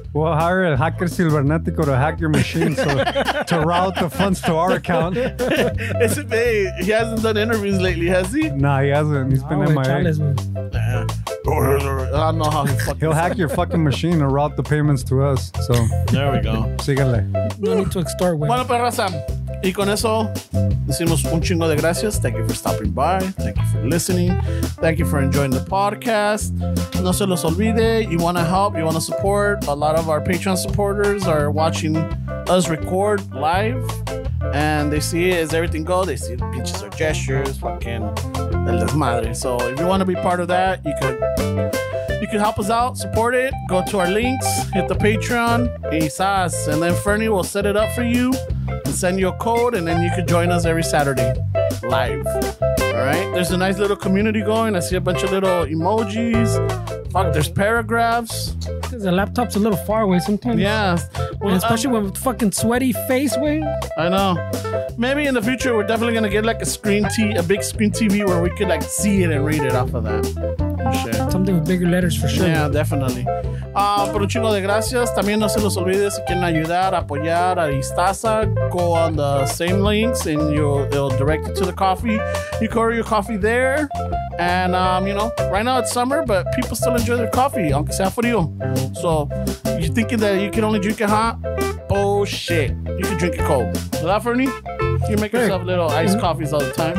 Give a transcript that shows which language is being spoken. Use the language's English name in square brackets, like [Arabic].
[English] We'll hire a hacker cybernético to hack your machine so to route the funds to our account. He hasn't done interviews lately, has he? Nah, he hasn't. He's been in my head. I don't know how he fucking he'll hack your fucking machine to route the payments to us. So there we go. [Spanish] Síganle. [English] No need to extort [Spanish] with. Bueno, perra, Sam. Y con eso, decimos un chingo de gracias. [English] Thank you for stopping by. Thank you for listening. Thank you for enjoying the podcast. [Spanish] No se los olvide. [English] You want to help. You want to support. A lot of our Patreon supporters are watching us record live. And they see as everything goes. They see the pinches or gestures. [Spanish] Fucking el desmadre. [English] So if you want to be part of that, you could... You can help us out, support it, go to our links, hit the Patreon, and then Fernie will set it up for you and send you a code, and then you can join us every Saturday live. All right? There's a nice little community going. I see a bunch of little emojis. Fuck, there's paragraphs. The laptop's a little far away sometimes. Yeah. Well, especially with fucking sweaty face, Wayne. I know. Maybe in the future, we're definitely going to get like a big screen TV where we could like see it and read it off of that. Shit. Something with bigger letters for sure. Yeah, definitely. [Spanish] Por un chingo de gracias. También no se los olvide si quieren ayudar, apoyar a Istaza. [English] Go on the same links and it'll direct you to the coffee. You can order your coffee there. And, you know, right now it's summer, but people still enjoy their coffee, [Spanish] aunque sea frío. [English] So, you're thinking that you can only drink it hot? Bullshit. You can drink it cold. Is that for me? You make yourself little iced coffees all the time.